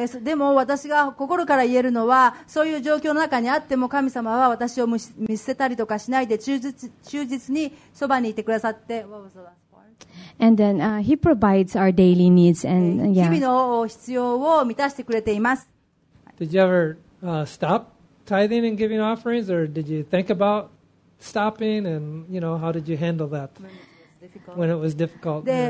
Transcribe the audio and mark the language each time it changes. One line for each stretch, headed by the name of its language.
Japanese: でも私が心から言えるのは、そういう状況の中にあっても神様は私を見捨てたりとかしないで忠実にそばにいてくださって。
English: And then he provides our daily needs and yeah.
Japanese: 日々の必要を満たしてくれています。
English: Did you ever stop tithing and giving offerings, or did you think aboutStopping and you know how did you handle that when it was difficult?